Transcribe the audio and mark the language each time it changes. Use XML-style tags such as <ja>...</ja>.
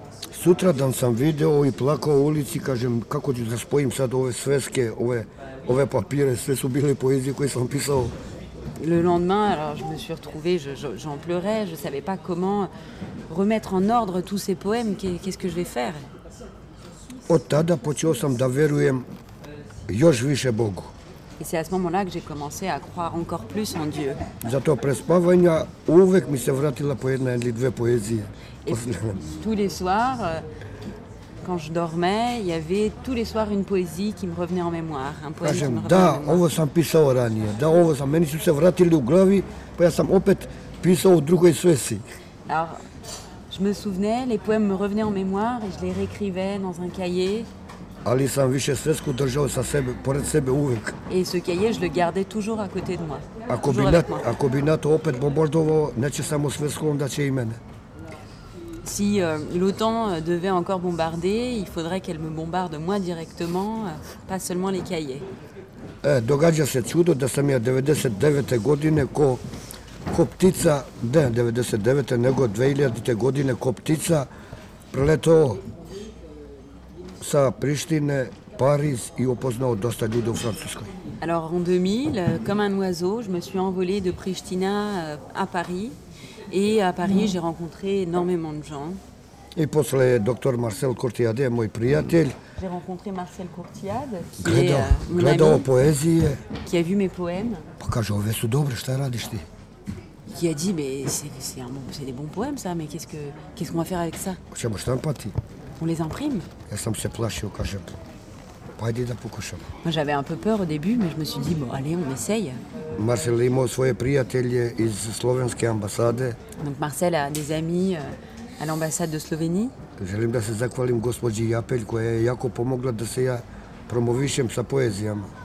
<sr>Sutra dan sam video i plakao u ulici, kažem, kako ću da spojim sad ove sveske, ove papire, sve su bile poezije koje sam pisao.</sr> <fr>Le lendemain, alors je me suis retrouvé, j'en pleurais, je savais pas comment remettre en ordre tous ces poèmes, qu'est-ce que je vais faire?</fr> <sr>Od tada počeo sam da verujem još više Bogu.</sr> <fr>Et c'est à ce moment-là que j'ai commencé à croire encore plus en Dieu.</fr> <sr>Zato pre spavanja uvek mi se vratila po jedna ili dve poezije.</sr> <fr>Tous les soirs, quand je dormais, il y avait tous les soirs une poésie qui me revenait en mémoire. Un poème</fr> <sr>kažem,</sr> <fr>qui me</fr> <sr>da, ovo sam pisao ranije. Da, ovo sam, meni su se vratili u glavi, pa ja sam opet pisao u drugoj svesi.</sr> <fr>Alors, je me souvenais, les poèmes me revenaient en mémoire et je les réécrivais dans un cahier.</fr> <sr>Ali sam više svesku držao sa sebe, pored sebe uvek.</sr> <fr>Et ce cahier, je le gardais toujours à côté de moi.</fr> <sr>Ako bi NATO opet bombardovao, neće samo svesku, onda će i mene.</sr> <fr>Si l'OTAN devait encore bombarder, il faudrait qu'elle me bombarde moi directement, pas seulement les cahiers.</fr> <sr>Događa se čudo da sam ja 99. godine ko ptica, ne 99. nego 2000. godine ko ptica preletao sa Prištine, Pariz i upoznao dosta ljudi u Francuskoj.</sr> <fr>Alors en 2000, comme un oiseau, je me suis envolé de Pristina à Paris. Et à Paris, j'ai rencontré énormément de gens. Et puis le docteur Marcel Courtiade, mon priatel. J'ai rencontré Marcel Courtiade,</fr> <sr>gledao poezije,</sr> <fr>qui a vu mes poèmes.</fr> <sr>Pa kaže, ove su dobre, šta radiš ti?</sr> <fr>Qui a dit, c'est des bons poèmes ça, mais qu'est-ce qu'on va faire avec ça?</fr> <sr>Ćemo štampati.</sr> <fr>On les imprime.</fr> <sr>Ja sam se plašio, kaže, pa ajde da pokušamo.</sr> <fr>Moi j'avais un peu peur au début, mais je me suis dit, bon allez, on essaye.</fr> <sr>Marcel imao svoje prijatelje iz slovenske ambasade.</sr> <fr>Donc Marcel a des amis à l'ambassade de Slovénie.</fr> <sr>Želim da se zahvalim gospođi Japelj koja je jako pomogla da se ja promovišem sa poezijama.</sr>